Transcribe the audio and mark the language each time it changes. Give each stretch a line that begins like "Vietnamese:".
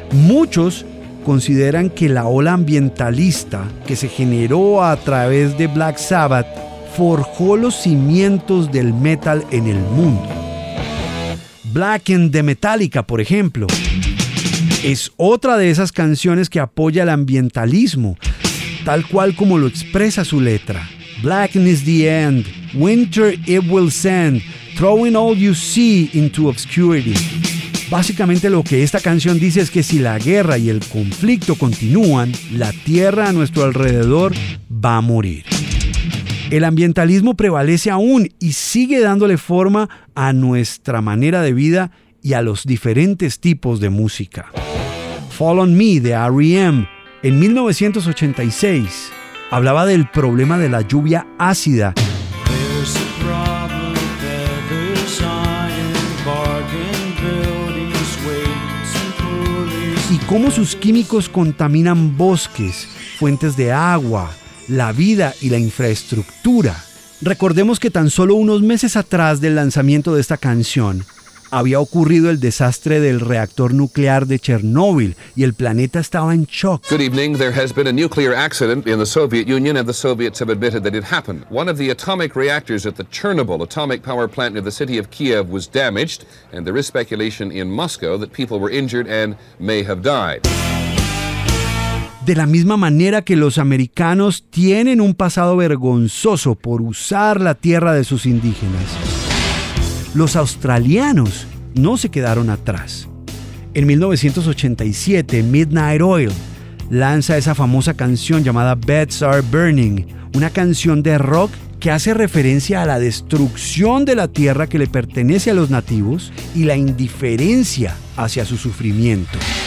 Spanish: Muchos consideran que la ola ambientalista que se generó a través de Black Sabbath forjó los cimientos del metal en el mundo. Blackened de Metallica, por ejemplo, es otra de esas canciones que apoya el ambientalismo, tal cual como lo expresa su letra.
English: Blacken is the end, winter it will send, throwing all you see into obscurity.
Spanish: Básicamente lo que esta canción dice es que si la guerra y el conflicto continúan, la tierra a nuestro alrededor va a morir. El ambientalismo prevalece aún y sigue dándole forma a nuestra manera de vida y a los diferentes tipos de música. Fall on Me de R.E.M. en 1986. Hablaba del problema de la lluvia ácida.
English: There's a problem that is iron, bargain buildings, weights and pulleys.
Spanish: Y cómo sus químicos contaminan bosques, fuentes de agua, la vida y la infraestructura. Recordemos que tan solo unos meses atrás del lanzamiento de esta canción, había ocurrido el desastre del reactor nuclear de Chernóbil y el planeta estaba en shock.
English: Good evening. There has been a nuclear accident in the Soviet Union and the Soviets have admitted that it happened. One of the atomic reactors at the Chernobyl atomic power plant near the city of Kiev was damaged and there is speculation in Moscow that people were injured and may have died.
Spanish: De la misma manera que los americanos tienen un pasado vergonzoso por usar la tierra de sus indígenas, los australianos no se quedaron atrás. En 1987, Midnight Oil lanza esa famosa canción llamada Beds Are Burning, una canción de rock que hace referencia a la destrucción de la tierra que le pertenece a los nativos y la indiferencia hacia su sufrimiento.